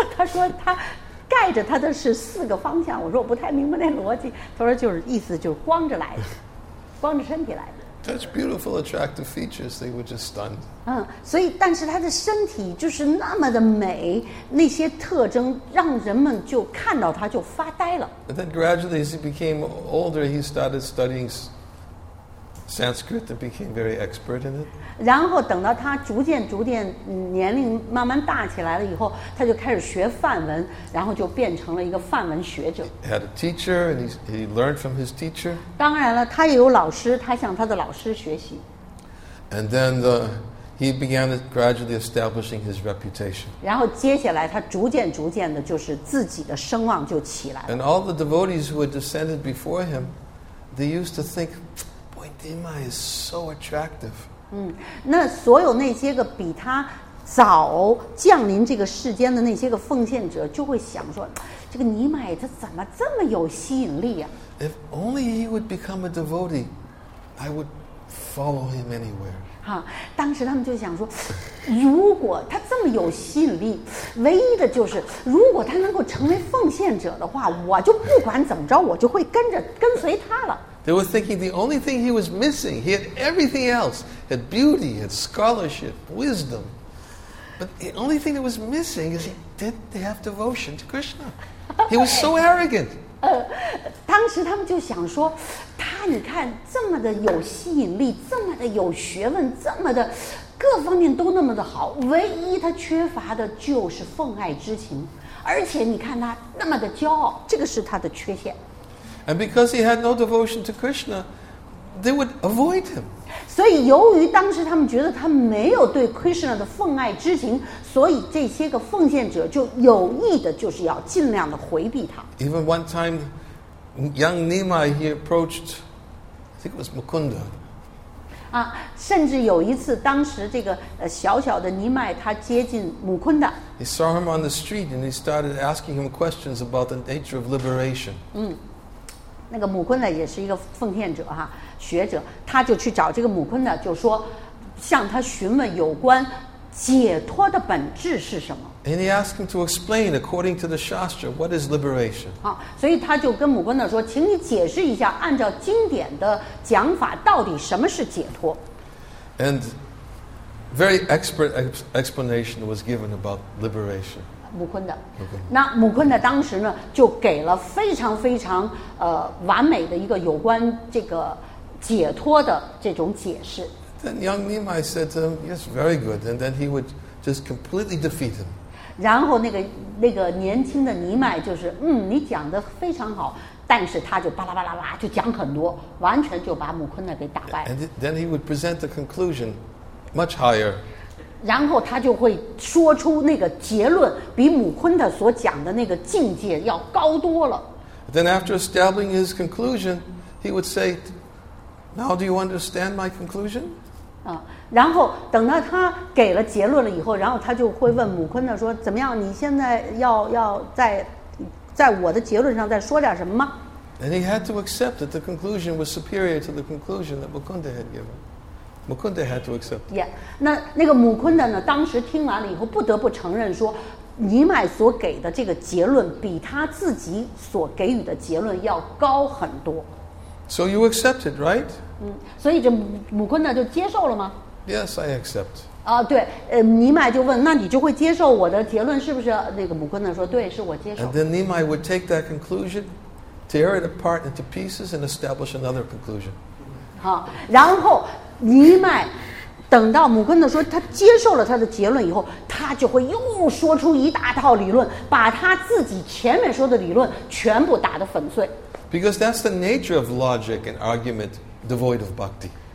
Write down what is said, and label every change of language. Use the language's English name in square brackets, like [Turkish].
[Chinese] 他说他盖着他的是四个方向。我说我不太明白那逻辑。他说就是意思就是光着来的，光着身体来的。 [English] Such beautiful, attractive features. They were just stunned. [Chinese] 嗯，所以但是他的身体就是那么的美，那些特征让人们就看到他就发呆了。 [English] But then gradually, as he became older, he started studying Sanskrit and became very expert in it. [Chinese] 然后等到他逐渐年龄慢慢大起来了以后，他就开始学梵文，然后就变成了一个梵文学者。 [English] He had a teacher and he learned from his teacher. [Chinese] 当然了，他也有老师，他向他的老师学习。 [English] And then he began gradually establishing his reputation. [Chinese] 然后接下来他逐渐的就是自己的声望就起来了。 [English] And all the devotees who had descended before him, they used to think. Dima is so attractive. [Chinese] 那所有那些个比他早降临这个世间的那些个奉献者就会想说，这个尼玛他怎么这么有吸引力啊？ [English] If only he would become a devotee, I would follow him anywhere. [Chinese] 当时他们就想说，如果他这么有吸引力，唯一的就是如果他能够成为奉献者的话，我就不管怎么着，我就会跟随他了。 [English] They were thinking the only thing he was missing, he had everything else, had beauty, had scholarship, wisdom. But the only thing that was missing is he didn't have devotion to Krishna. He was so arrogant. [Chinese] 当时他们就想说，他你看这么的有吸引力，这么的有学问，这么的各方面都那么的好，唯一他缺乏的就是奉爱之情，而且你看他那么的骄傲，这个是他的缺陷。 [English] And because he had no devotion to Krishna, they would avoid him. [Chinese] 所以由于当时他们觉得他没有对 Krishna 的奉爱之情，所以这些个奉献者就有意的就是要尽量的回避他。 [English] Even one time, young Nimai, he approached, I think it was Mukunda. [Chinese] 甚至有一次当时这个小小的尼麦他接近穆昆达。 [English] He saw him on the street and he started asking him questions about the nature of liberation. [Chinese] 那个母坤呢也是一个奉献者哈，学者，他就去找这个母坤呢，就说向他询问有关解脱的本质是什么。 [English] And he asked him to explain according to the Shastra what is liberation. [Chinese] 所以他就跟母坤呢说，请你解释一下，按照经典的讲法，到底什么是解脱。 [English] And very expert explanation was given about liberation. [Chinese] 穆坤的、 [English] okay. [Chinese] 那穆坤的当时呢就给了非常非常完美的一个有关这个解脱的这种解释。 [English] Then young Nimai said to him, yes, very good. And then he would just completely defeat him. [Chinese] 然后那个年轻的尼麦就是你讲得非常好，但是他就巴拉巴拉巴就讲很多，完全就把穆坤的给打败了。 [English] And then he would present the conclusion much higher. [Chinese] 然后他就会说出那个结论比母坤的所讲的那个境界要高多了。 [English] Then after establishing his conclusion, he would say, now do you understand my conclusion? [Chinese] 然后等到他给了结论了以后，然后他就会问母坤的说，怎么样，你现在要在我的结论上再说点什么吗？ [English] And he had to accept that the conclusion was superior to the conclusion that Mukunda had given. Mukunda had to accept. [Chinese] Yeah, 那个母坤的呢，当时听完了以后，不得不承认说，尼麦所给的这个结论比他自己所给予的结论要高很多。 [English] So you accepted, right? [Chinese] 所以这母坤的就接受了吗 [English] ？Yes, I accept. [Chinese] 对，尼麦就问，那你就会接受我的结论是不是？那个母坤的说，对，是我接受。 [English] And then Nimai would take that conclusion, tear it apart into pieces, and establish another conclusion. [Chinese] 好，然后。尼麦等到母坤的说他接受了他的结论以后，他就会又说出一大套理论，把他自己前面说的理论全部打得粉碎。 [English] Because that's the nature of logic and argument devoid of bhakti.